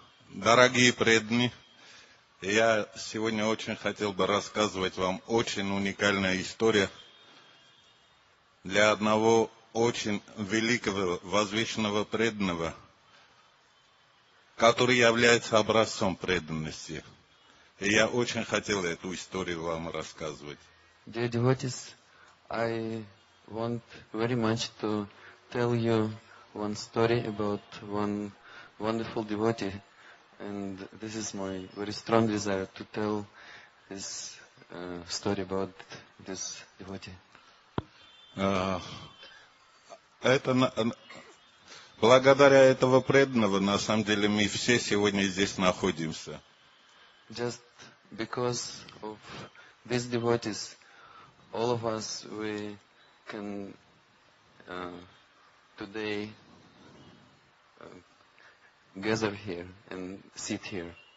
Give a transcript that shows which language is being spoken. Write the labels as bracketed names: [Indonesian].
[Russian] Дорогие преданные, я сегодня очень хотел бы рассказывать вам очень уникальную историю для одного очень великого возвышенного преданного, который является образцом преданности. И я очень хотел эту историю вам рассказывать. [English] Dear devotees, I want very much to tell you one story about one wonderful devotee, and this is my very strong desire to tell this story about this devotee. [Russian] Это благодаря этого преданного, на самом деле, мы все сегодня здесь находимся. [English] Just because of these devotees, all of us we can today gather here and sit here.